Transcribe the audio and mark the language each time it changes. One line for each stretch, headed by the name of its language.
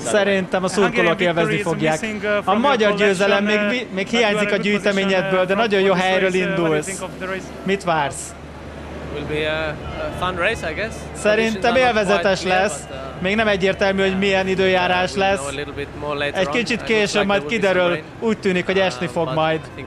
Hungarian: Szerintem a szurkolók élvezni fogják. A magyar győzelem még hiányzik a gyűjteményedből, de nagyon jó helyről indulsz. Mit vársz?
English: Will be a fun race, I guess.
Hungarian: Szerintem élvezetes lesz. Még nem egyértelmű, hogy milyen időjárás lesz. Egy kicsit később majd kiderül. Úgy tűnik, hogy esni fog majd.